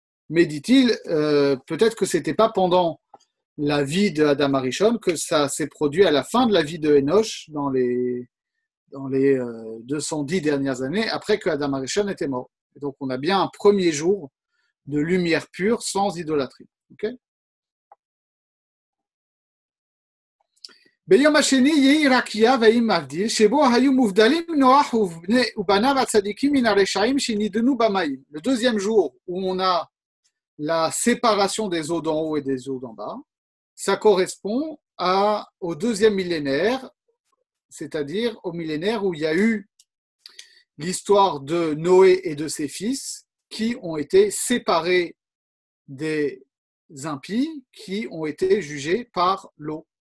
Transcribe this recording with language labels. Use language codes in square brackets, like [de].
[fr] Mais dit-il, peut-être que ce n'était pas pendant la vie d'Adam Arishon que ça s'est produit à la fin de la vie d'Enoch, dans les 210 dernières années, après que Adam Arishon était mort. Et donc on a bien un premier jour de lumière pure sans idolâtrie. Ok ? [he] ביום השני יהי רקיה ואי מבדיל שבו היו מובדלים נוח ובניו הצדיקים מן הרשעים שנידנו במים. [fr] Le deuxième jour où on a la séparation des eaux d'en haut et des eaux d'en bas, ça correspond au deuxième millénaire, c'est-à-dire au millénaire où il y a eu l'histoire de Noé et de ses fils qui ont été séparés des impies qui ont été jugés par l'eau.